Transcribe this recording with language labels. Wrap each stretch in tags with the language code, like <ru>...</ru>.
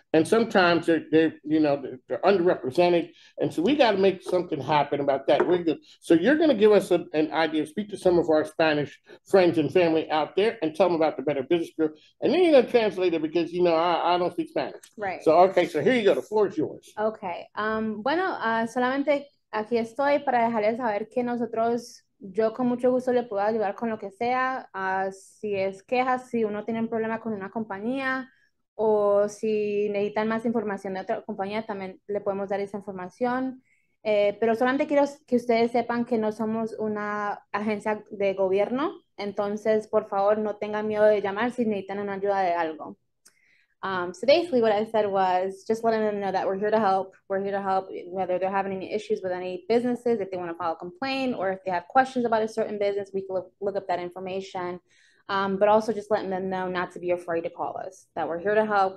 <en>And sometimes they're underrepresented, and so we got to make something happen about that. So you're going to give us an idea. Speak to some of our Spanish friends and family out there, and tell them about the Better Business Bureau, and then you're going to translate it because I don't speak Spanish, right? So okay, so here you go. The floor is yours.</en> <es>Okay. Solamente. Aquí estoy para dejarles saber que nosotros, yo con mucho gusto le puedo ayudar con lo que sea, si es queja, si uno tiene un problema con una compañía o si necesitan más información de otra compañía, también le podemos dar esa información. Pero solamente quiero que ustedes sepan que no somos una agencia de gobierno, entonces por favor no tengan miedo de llamar si necesitan una ayuda de algo.</es> <en>So basically what I said was just letting them know that we're here to help. We're here to help whether they're having any issues with any businesses, if they want to file a complaint, or if they have questions about a certain business, we can look up that information. But also just letting them know not to be afraid to call us, that we're here to help.</en>